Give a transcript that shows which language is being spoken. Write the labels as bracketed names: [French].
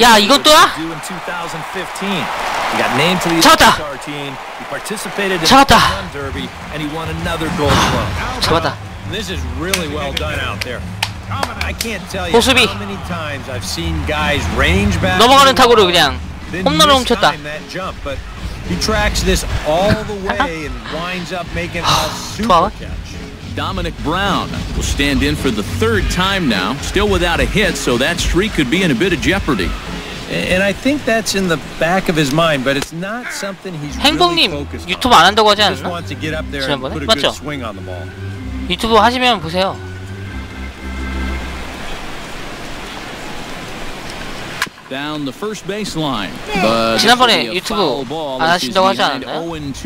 [English] yeah, you got to do in 2015. He got named to the All-Star team. He participated in the Home Run Derby, and he won another Gold Glove. This is really well done out there. I can't tell you how many times I've seen guys range back. [Korean] 넘어가는 타구로 그냥 홈런을 훔쳤다. [English] But he tracks this all the way and winds up making a super catch. Dominic Brown will stand in for the third time now, still without a hit, so that streak could be in a bit of jeopardy. And I think that's in the back of his mind, but it's not something he's really focused on. [Korean] 행복님, 유튜브 안 한다고 하지 않았나? 지난번에? 맞죠? 유튜브 하시면 보세요. 지난번에 유튜브 안 하신다고 하지 않았나요?